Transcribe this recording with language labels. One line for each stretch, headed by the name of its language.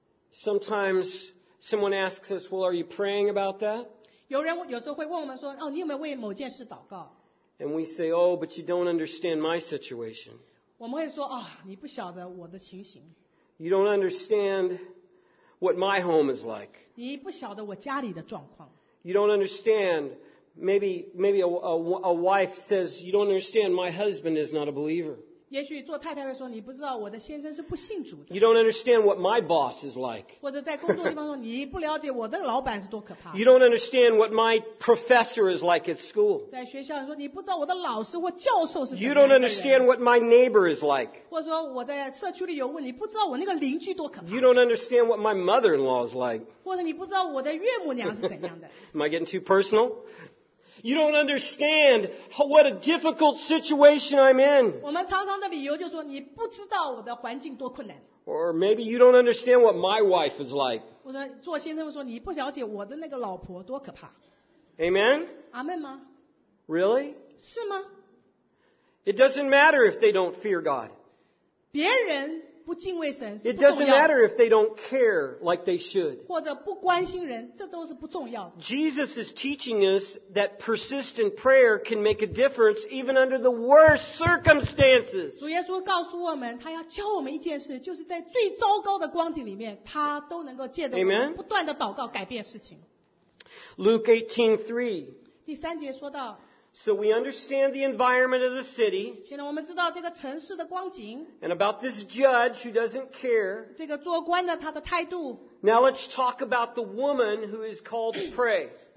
English: Sometimes someone asks us, well, are you praying about that?
Chinese: 有人有时候会问我们说，哦，你有没有为某件事祷告？
English: And we say, oh, but you don't understand my situation.
Chinese: 我们会说，哦，你不晓得我的情形。
English: You don't understand what my home is like.
Chinese: 你不晓得我家里的状况。
English: You don't understand, maybe a wife says, you don't understand, my husband is not a believer.
Chinese: 也许做太太会说，你不知道我的先生是不信主的。
English: You don't understand what my boss is like.
Chinese: 或者在工作地方说，你不了解我的老板是多可怕。
English: You don't understand what my professor is like at school.
Chinese: 在学校说，你不知道我的老师或教授是。
English: You don't understand what my neighbor is like.
Chinese: 或者说我在社区里有问，你不知道我那个邻居多可怕。
English: You don't understand what my mother-in-law is like.
Chinese: 或者你不知道我的岳母娘是怎样的。
English: Am I getting too personal? You don't understand what a difficult situation I'm in.
Chinese: 我们常常的理由就是说，你不知道我的环境多困难。
English: Or maybe you don't understand what my wife is like.
Chinese: 或者做先生说，你不了解我的那个老婆多可怕。
English: Amen?
Chinese: 阿们吗？
English: Really?
Chinese: 是吗？
English: It doesn't matter if they don't fear God.
Chinese: 别人不敬畏神是不重要。
English: It doesn't matter if they don't care like they should.
Chinese: 或者不关心人，这都是不重要的。
English: Jesus is teaching us that persistent prayer can make a difference even under the worst circumstances.
Chinese: 主耶稣告诉我们，他要教我们一件事，就是在最糟糕的光景里面，他都能够借着我们不断的祷告改变事情。
English: Luke 18:3。 So we understand the environment of the city.
Chinese: 现在我们知道这个城市的光景,
English: and about this judge who doesn't care.
Chinese: 这个做官的他的态度,
English: now let's talk about the woman who is called to pray.